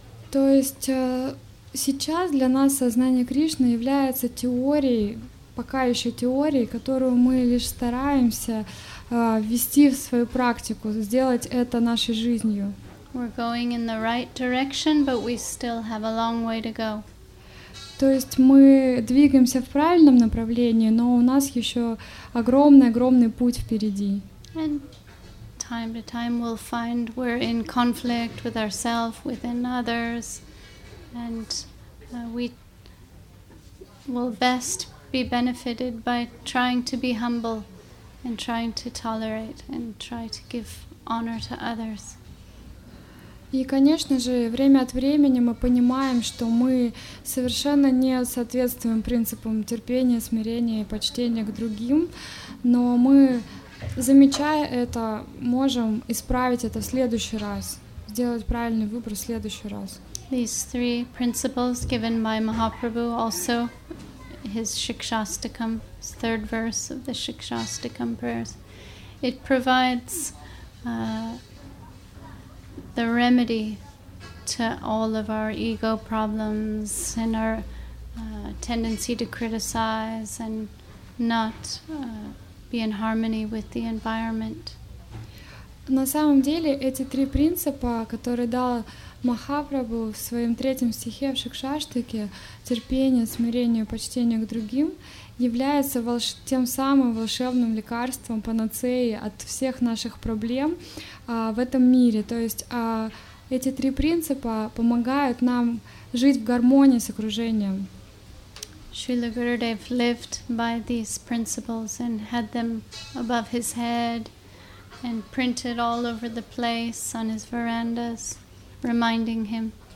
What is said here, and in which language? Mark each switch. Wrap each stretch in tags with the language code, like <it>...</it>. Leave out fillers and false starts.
<ru>То есть сейчас для нас сознание Кришны является теорией, пока еще теорией, которую мы лишь стараемся ввести в свою практику, сделать это нашей жизнью.</ru> <en>We're going in the right direction, but we still have a long way to go.</en> <ru>То есть мы двигаемся в правильном направлении, но у нас еще огромный путь впереди.</ru> <en>And time to time we'll find we're in conflict with ourselves, within others, and we will best be benefited by trying to be humble and trying to tolerate and try to give honor to others.</en> <ru>И, конечно же, время от времени мы понимаем, что мы совершенно не соответствуем принципам терпения, смирения и почтения к другим, но мы, замечая это, можем исправить это в следующий раз, сделать правильный выбор в следующий раз.</ru> <en>These three principles given by Mahaprabhu, also his Shikshastakam, third verse of the Shikshastakam prayers, it provides the remedy to all of our ego problems and our tendency to criticize and not be in harmony with the environment.</en> <ru>На самом деле, эти три принципа, которые дал Махапрабху в своем третьем стихе в Шикшаштике, терпение, смирение, почтение к другим, является тем самым волшебным лекарством, панацеей от всех наших проблем в этом мире. То есть эти три принципа помогают нам жить в гармонии с окружением.</ru> <en>Srila Gurudev lived by these principles and had them above his head and printed all over the place on his verandas, reminding him.</en>